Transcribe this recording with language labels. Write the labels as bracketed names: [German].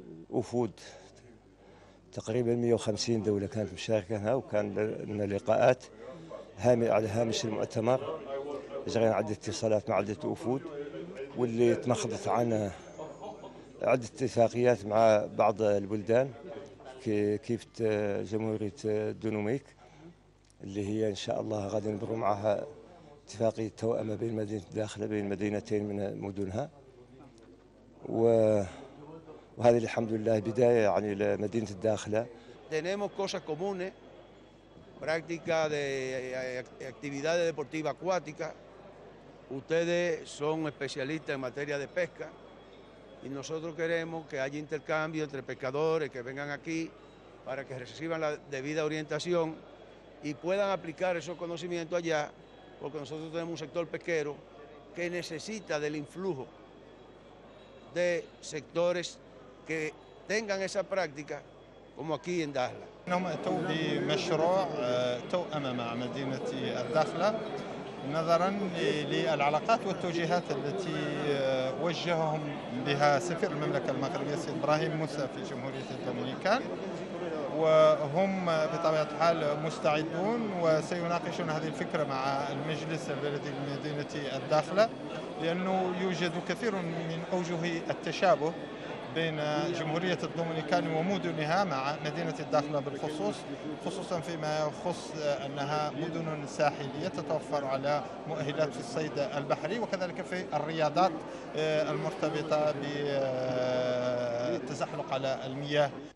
[Arabic] وفود تقريبا 150 دولة كانت مشاركة هنا، وكان لنا لقاءات على هامش المؤتمر، جرينا عدة اتصالات مع عدة وفود، واللي تمخضت عنا عدة اتفاقيات مع بعض البلدان كيف جمهورية الدنوميك اللي هي إن شاء الله غادي نبرو معها اتفاقية توأمة بين مدينة الداخلة بين مدينتين من مدنها، وهذه الحمد لله بداية يعني لمدينة الداخلة. [Spanish] tenemos cosas comunes, práctica de actividades deportivas acuáticas. Ustedes son especialistas en materia de pesca y nosotros queremos que haya intercambio entre pescadores que vengan aquí para que reciban la debida orientación y puedan aplicar esos conocimientos allá, porque nosotros tenemos un sector pesquero que necesita del influjo de sectores que tengan esa práctica como aquí en Dakhla. [Arabic] نظرا للعلاقات والتوجيهات التي وجههم بها سفير المملكه المغربيه السيد ابراهيم موسى في جمهوريه الدومينيكان، وهم بطبيعه الحال مستعدون وسيناقشون هذه الفكره مع المجلس البلدي لمدينه الداخله، لانه يوجد كثير من اوجه التشابه بين جمهوريه الدومينيكان ومدنها مع مدينه الداخله بالخصوص، خصوصا فيما يخص انها مدن ساحليه تتوفر على مؤهلات في الصيد البحري وكذلك في الرياضات المرتبطه بالتزحلق على المياه.